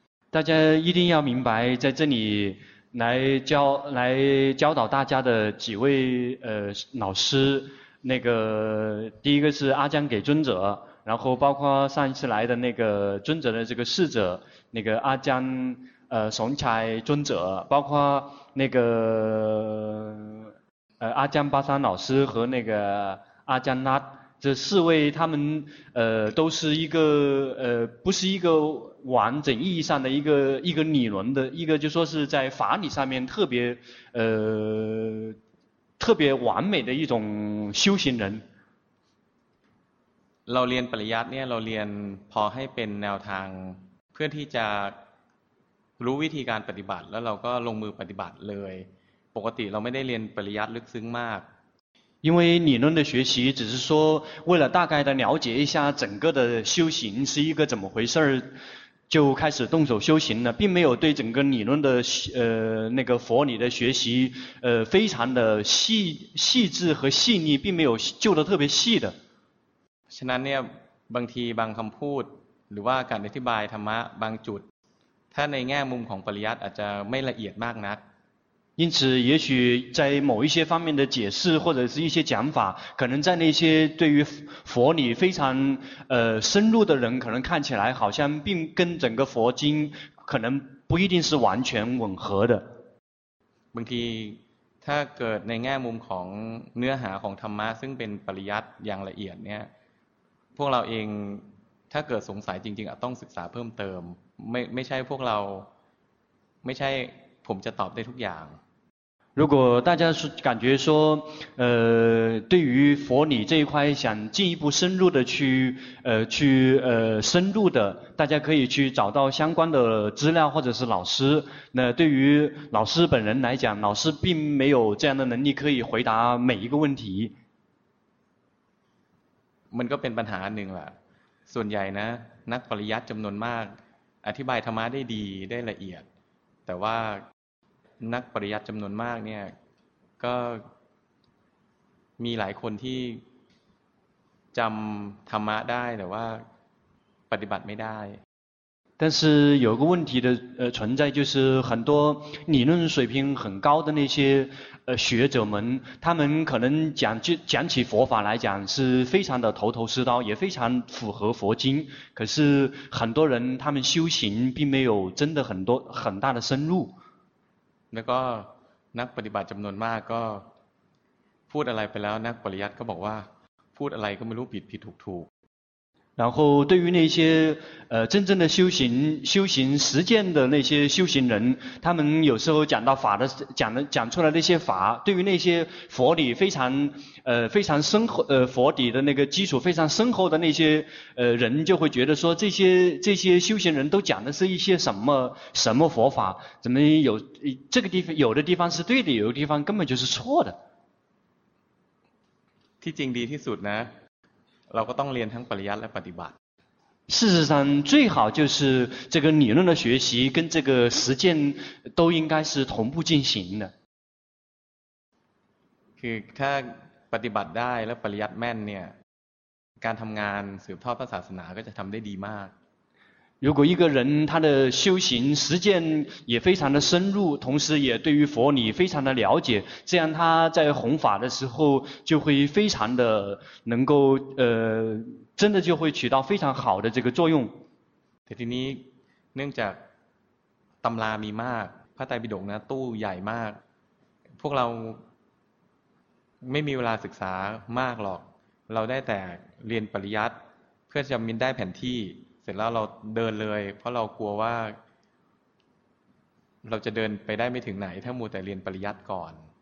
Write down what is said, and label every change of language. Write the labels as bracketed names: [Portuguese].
[Chinese] 大家一定要明白在这里来教导大家的几位老师那个第一个是阿姜给尊者然后包括上一次来的那个尊者的这个侍者那个阿姜怂才尊者包括那个阿姜巴山老师和那个阿姜拉这四位他们都是一个不是一个完整意义上的一个理论的一个就是说是在法理上面特别完美的一种修行人 [Thai] เราเรียนปริยัติเนี่ยเราเรียนพอให้เป็นแนวทางเพื่อที่จะรู้วิธีการปฏิบัติแล้วเราก็ลงมือปฏิบัติเลยปกติเราไม่ได้เรียนปริยัติลึกซึ้งมาก [Chinese] 因为理论的学习只是说为了大概的了解一下整个的修行是一个怎么回事就开始动手修行了并没有对整个理论的那个佛理的学习非常的细致和细腻并没有就得特别细的 [Thai] ฉะนั้นเนี่ยบางทีบางคำพูดหรือว่าการอธิบายธรรมะบางจุดถ้าในแง่มุมของปริยัติอาจจะไม่ละเอียดมากนัก [Chinese] 因此也许在某一些方面的解释或者是一些讲法可能在那些对于佛理非常深入的人可能看起来好像并跟整个佛经可能不一定是完全吻合的 [Thai] บางทีถ้าเกิดในแง่มุมของเนื้อหาของธรรมะซึ่งเป็นปริยัติอย่างละเอียดเนี่ยพวกเราเองถ้าเกิดสงสัยจริงๆต้องศึกษาเพิ่มเติมไม่ใช่พวกเราไม่ใช่ผมจะตอบได้ทุกอย่าง [Chinese] 如果大家是感觉说对于佛理这一块想进一步深入的去深入的大家可以去找到相关的资料或者是老师那对于老师本人来讲老师并没有这样的能力可以回答每一个问题 [Thai] มันก็เป็นปัญหาหนึ่งแหละส่วนใหญ่นะนักปริยัติจำนวนมากอธิบายธรรมะได้ดีได้ละเอียดแต่ว่านักปริยัติจำนวนมากเนี่ยก็มีหลายคนที่จำธรรมะได้แต่ว่าปฏิบัติไม่ได้ [Chinese] 但是有个问题的存在就是很多理论水平很高的那些学者们他们可能讲起佛法来讲是非常的头头是道也非常符合佛经可是很多人他们修行并没有真的很大的深入 [Thai] แล้วก็นักปฏิบัติจำนวนมากก็พูดอะไรไปแล้วนักปริยัติก็บอกว่าพูดอะไรก็ไม่รู้ผิดถูก [Chinese] 然后对于那些真正的修行实践的那些修行人他们有时候讲到法的讲出来的那些法对于那些佛理非常深厚佛底的那个基础非常深厚的那些人就会觉得说这些修行人都讲的是一些什么佛法怎么有这个地方有的地方是对的有的地方根本就是错的 [Thai] ที่จริงดีที่สุดนะเราก็ต้องเรียนทั้งปริยัติและปฏิบัติ [Chinese] 事实上最好就是这个理论的学习跟这个实践都应该是同步进行的。 [Thai] คือถ้าปฏิบัติได้และปริยัติแม่นเนี่ยการทำงานสืบทอดพระศาสนาก็จะทำได้ดีมาก。 [Chinese] 如果一个人他的修行实践也非常的深入，同时也对于佛理非常的了解，这样他在弘法的时候就会非常的能够真的就会起到非常好的这个作用。 [Thai] แต่ทีนี้เนื่องจากตำรามีมากพระไตรปิฎกนะตู้ใหญ่มากพวกเราไม่มีเวลาศึกษามากหรอกเราได้แต่เรียนปริยัติเพื่อจะมีได้แผนที่เสร็จแล้วเราเดินเลยเพราะเรากลัวว่าเราจะเดินไปได้ไม่ถึงไหนถ้ามัวแต่เรียนปริยัติก่อน